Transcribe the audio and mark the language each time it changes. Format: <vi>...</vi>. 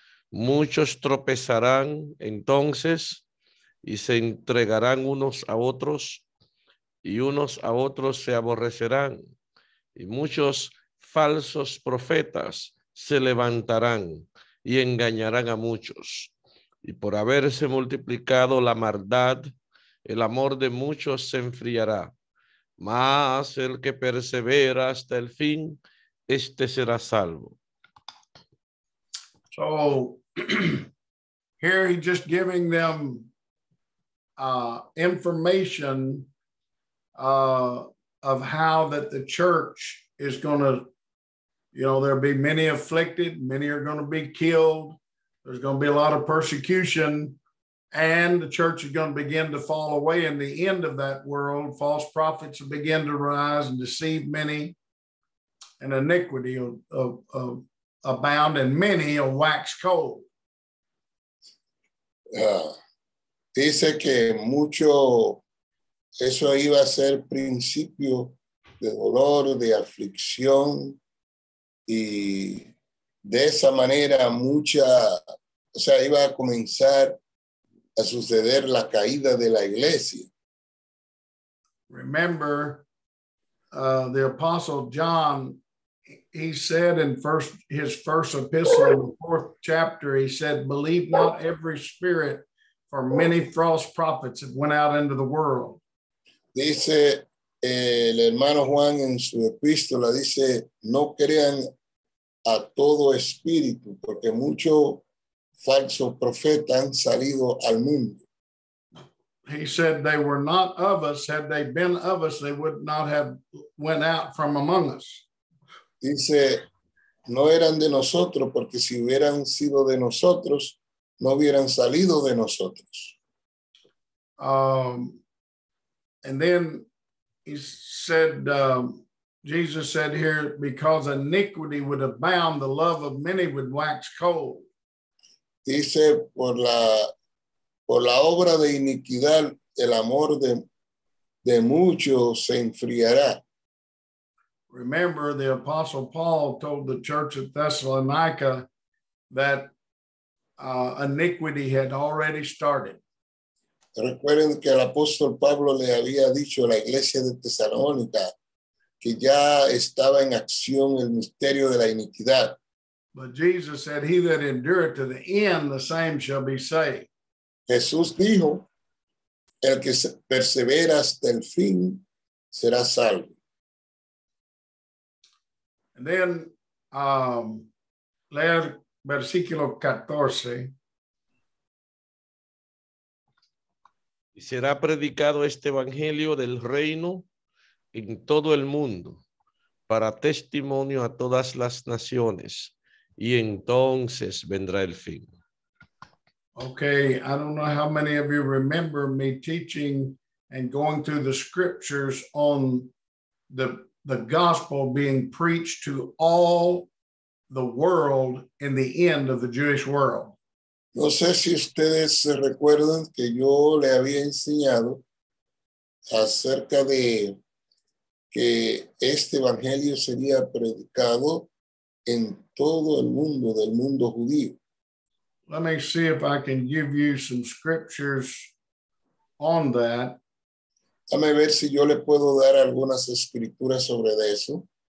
<es>Muchos tropezarán entonces y se entregarán unos a otros, y unos a otros se aborrecerán, y muchos falsos profetas se levantarán y engañarán a muchos. Y por haberse multiplicado la maldad, el amor de muchos se enfriará. Mas el que persevera hasta el fin, este será salvo.</es> <en>So, here he's just giving them information of how that the church is going to, you know, there'll be many afflicted, many are going to be killed. There's going to be a lot of persecution, and the church is going to begin to fall away in the end of that world. False prophets will begin to rise and deceive many, and iniquity will abound, and many will wax cold.</en> <es>Dice que mucho, eso iba a ser principio de dolor, de aflicción, y de esa manera mucha, o sea, iba a comenzar a suceder la caída de la iglesia.</es> <en>Remember, the Apostle John, he said in his first epistle, in the fourth chapter, he said, believe not every spirit, for many false prophets have went out into the world.</en> <es>Dice el hermano Juan en su epístola, dice, no crean a todo espíritu, porque mucho falso profeta han salido al mundo.</es> <en>He said they were not of us. Had they been of us, they would not have went out from among us.</en> <es>Dice, no eran de nosotros, porque si hubieran sido de nosotros, no hubieran salido de nosotros.</es> <en>And then he said, Jesus said here, because iniquity would abound, the love of many would wax cold.</en> <es>Dice, por la obra de iniquidad, el amor de muchos se enfriará.</es> <en>Remember, the Apostle Paul told the church at Thessalonica that iniquity had already started.</en> <es>Recuerden que el apóstol Pablo le había dicho a la iglesia de Tesalónica que ya estaba en acción el misterio de la iniquidad.</es> <en>But Jesus said, he that endureth to the end, the same shall be saved.</en> <es>Jesús dijo, el que persevera hasta el fin será salvo.</es> <en>And then,</en> <es>leer versículo 14. Y será predicado este evangelio del reino en todo el mundo para testimonio a todas las naciones. Y entonces vendrá el fin.</es> <en>Okay, I don't know how many of you remember me teaching and going through the scriptures on the gospel being preached to all the world in the end of the Jewish world.</en> <es>No sé si ustedes se recuerdan que yo le había enseñado acerca de que este evangelio sería predicado en todo el mundo del mundo judío.</es> <en>Let me see if I can give you some scriptures on that.</en> <es>Dame ver si yo le puedo dar algunas escrituras sobre eso.</es>